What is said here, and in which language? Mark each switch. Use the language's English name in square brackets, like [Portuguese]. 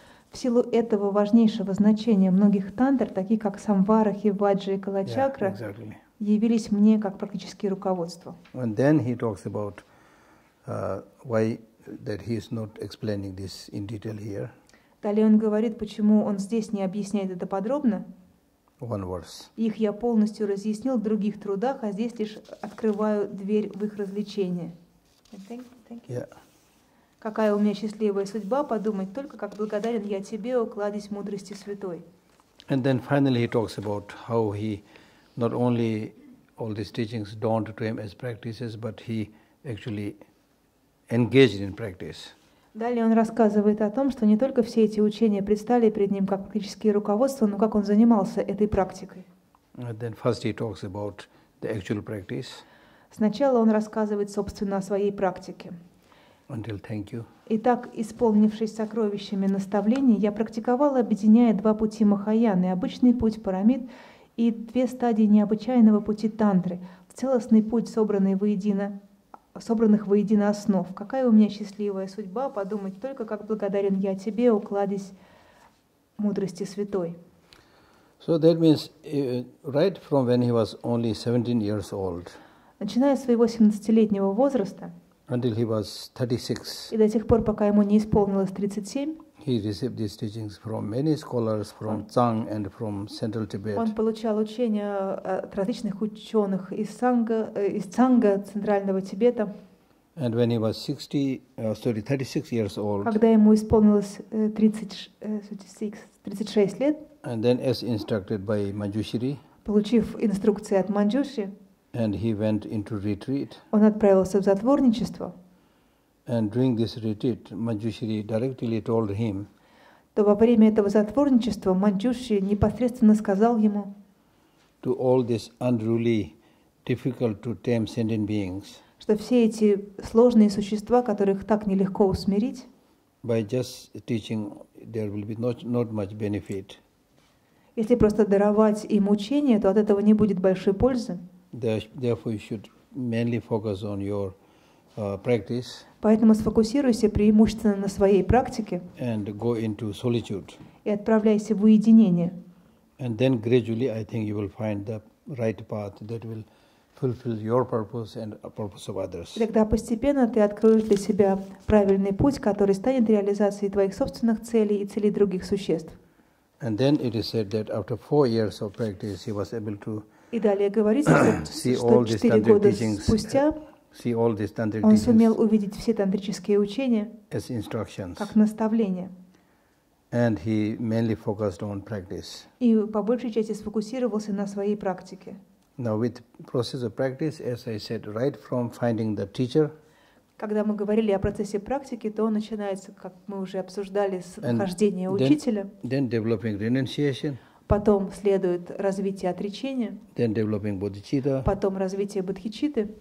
[Russian] В силу этого важнейшего значения многих тантр, таких как Самварахи, Ваджа и Калачакра, [English] yeah, exactly, [Russian] явились мне как практические руководства. [English] And then he talks about why that he is not explaining this in detail here. [Russian] Далее он говорит, почему он здесь не объясняет это подробно. [English] One verse. [Russian] Их я полностью разъяснил в других трудах, а здесь лишь открываю дверь в их развлечение. [English] Yeah. [Russian] Какая у меня счастливая судьба, подумать только, как благодарен я тебе, укладись мудрости святой. [English] And then finally he talks about how he not only all these teachings dawned to him as practices, but he actually engaged in practice. [Russian] Далее он рассказывает о том, что не только все эти учения предстали перед ним как практические руководства, но как он занимался этой практикой. [English] And then first he talks about the actual practice. [Russian] Сначала он рассказывает, собственно, о своей практике. [English] Until thank you. [Russian] Итак, исполнившись сокровищами наставлений, я практиковал, объединяя два пути Махаяны, обычный путь Парамид и две стадии необычайного пути Тантры, в целостный путь, собранных воедино основ. Какая у меня счастливая судьба, подумать только, как благодарен я тебе, укладись мудрости святой. [English] So that means, right from when he was only 17 years old, [Russian] начиная с своего 17-летнего возраста, [English] until he was 36, [Russian] и до тех пор, пока ему не исполнилось 37, [English] he received these teachings from many scholars, from Zhang and from Central Tibet. [Russian] Он получал учения от различных ученых из Цанга, Центрального Тибета. [English] And when he was 36 years old. [Russian] Когда ему исполнилось 36 лет. [English] And then as instructed by Manjushri. [Russian] Получив инструкции от Манджуши. [English] And he went into retreat. [Russian] Он отправился в затворничество. [English] And during this retreat, Manjushri directly told him. [Russian] То во время этого затворничества Манджуши непосредственно сказал ему. [English] To all these unruly, difficult to tame sentient beings. [Russian] Что все эти сложные существа, которых так нелегко усмирить. [English] By just teaching, there will be not much benefit. [Russian] Если просто даровать им учение, то от этого не будет большой пользы. [English] Therefore, you should mainly focus on your practice. [Russian] Поэтому сфокусируйся преимущественно на своей практике. [English] And go into solitude. [Russian] И отправляйся в уединение. [English] And then gradually, I think you will find the right path that will fulfill your purpose and the purpose of others. [Russian] Тогда постепенно ты откроешь для себя правильный путь, который станет реализацией твоих собственных целей и целей других существ. [English] And then it is said that after 4 years of practice, he was able to [Russian] и далее говорится, что 4 года спустя [English] see all these tantric [Russian] он сумел увидеть все тантрические учения [English] as instructions. [Russian] Как наставления. [English] And he mainly focused on practice. [Russian] И по большей части сфокусировался на своей практике. [English] Now with process of practice, as I said, right from finding the teacher. [Russian] Когда мы говорили о процессе практики, то начинается, как мы уже обсуждали, с нахождения учителя. [English] Then developing renunciation. [Russian] Потом следует развитие отречения. [English] Then developing bodhicitta. [Russian] Потом развитие бодхичитты.